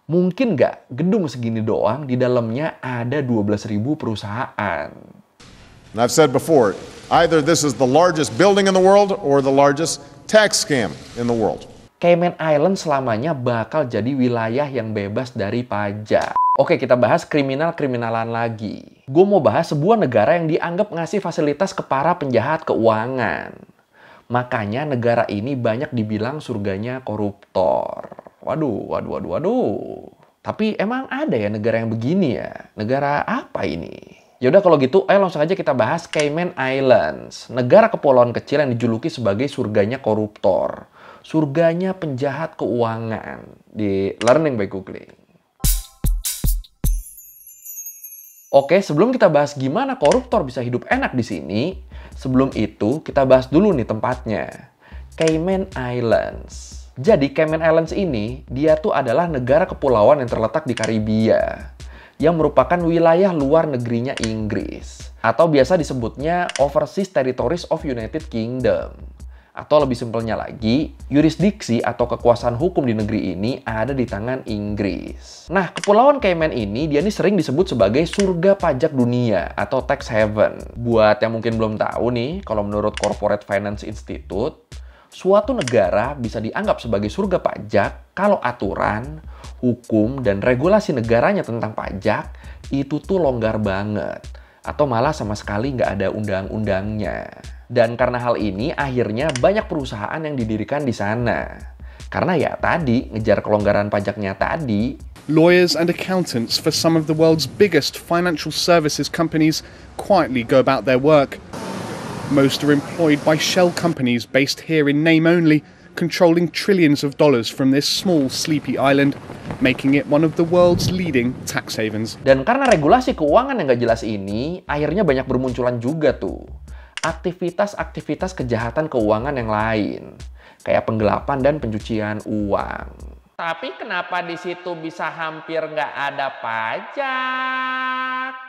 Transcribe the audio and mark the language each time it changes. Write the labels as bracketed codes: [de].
[id] Mungkin nggak gedung segini doang di dalamnya ada 12.000 perusahaan. [en] And I've said before, either this is the largest building in the world or the largest tax scam in the world. [id] Cayman Islands selamanya bakal jadi wilayah yang bebas dari pajak. Oke, kita bahas kriminal-kriminalan lagi. Gue mau bahas sebuah negara yang dianggap ngasih fasilitas ke para penjahat keuangan. Makanya negara ini banyak dibilang surganya koruptor. Waduh. Tapi emang ada ya negara yang begini ya? Negara apa ini? Yaudah kalau gitu, ayo langsung aja kita bahas Cayman Islands. Negara kepulauan kecil yang dijuluki sebagai surganya koruptor. Surganya penjahat keuangan. Di Learning by Googling. Oke, sebelum kita bahas gimana koruptor bisa hidup enak di sini, sebelum itu kita bahas dulu nih tempatnya. Cayman Islands. Jadi Cayman Islands ini, dia tuh adalah negara kepulauan yang terletak di Karibia, yang merupakan wilayah luar negerinya Inggris, atau biasa disebutnya [en] Overseas Territories of United Kingdom. [id] Atau lebih simpelnya lagi, yurisdiksi atau kekuasaan hukum di negeri ini ada di tangan Inggris. Nah, kepulauan Cayman ini, dia ini sering disebut sebagai surga pajak dunia atau tax haven. Buat yang mungkin belum tahu nih, kalau menurut Corporate Finance Institute, suatu negara bisa dianggap sebagai surga pajak kalau aturan, hukum, dan regulasi negaranya tentang pajak itu tuh longgar banget. Atau malah sama sekali nggak ada undang-undangnya. Dan karena hal ini, akhirnya banyak perusahaan yang didirikan di sana. Karena ya tadi, ngejar kelonggaran pajaknya tadi. [en] Lawyers and accountants for some of the world's biggest financial services companies quietly go about their work. Most are employed by shell companies based here in name only, controlling trillions of dollars from this small sleepy island, making it one of the world's leading tax havens. [id] Dan karena regulasi keuangan yang gak jelas ini, akhirnya banyak bermunculan juga tuh aktivitas-aktivitas kejahatan keuangan yang lain, kayak penggelapan dan pencucian uang. Tapi kenapa di situ bisa hampir nggak ada pajak?